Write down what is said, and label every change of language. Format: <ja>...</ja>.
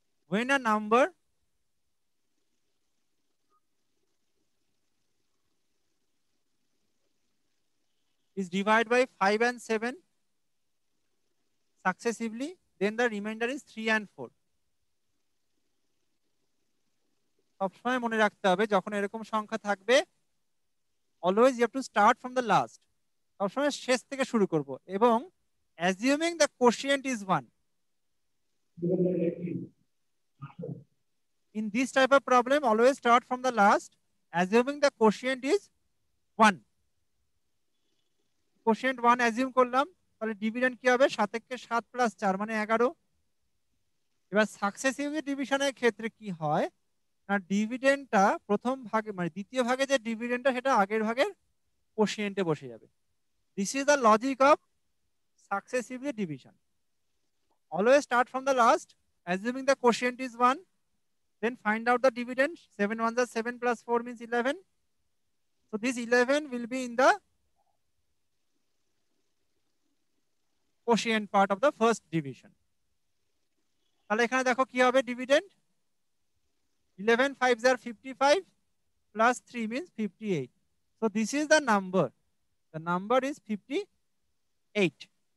<en>When a number is divided by 5 and 7 successively, then the remainder is 3 and 4.</en> <bn>সবসময় মনে রাখতে হবে যখন এরকম সংখ্যা থাকবে,</bn> <en>always you have to start from the last,</en> <bn>সবসময় শেষ থেকে শুরু করব, এবং</bn> <en>Assuming the quotient is 1। In this type of problem, always start from the last, assuming the quotient is 1.</en> <bn>Quotient 1 assume করলাম, তাহলে ডিভিশন কি হবে? 7 কে 7 প্লাস 4 মানে 11। এবার সাকসেসিভলি ডিভিশনের ক্ষেত্রে কি হয়, না ডিভিডেন্ডটা প্রথম ভাগে মানে দ্বিতীয় ভাগে যে ডিভিডেন্ডটা সেটা আগের ভাগের কোশিয়েন্টে বসে যাবে।</bn> <en>This is the logic of successively division, always start from the last, assuming the quotient is 1, then find out the dividend. 7 ones are 7 plus 4 means 11, so this 11 will be in the quotient part of the first division.</en> <bn>Tale ekhane dekho ki hobe</bn> <en>dividend, 11 5s are 55 plus 3 means 58, so this is the number, the number is 58.</en>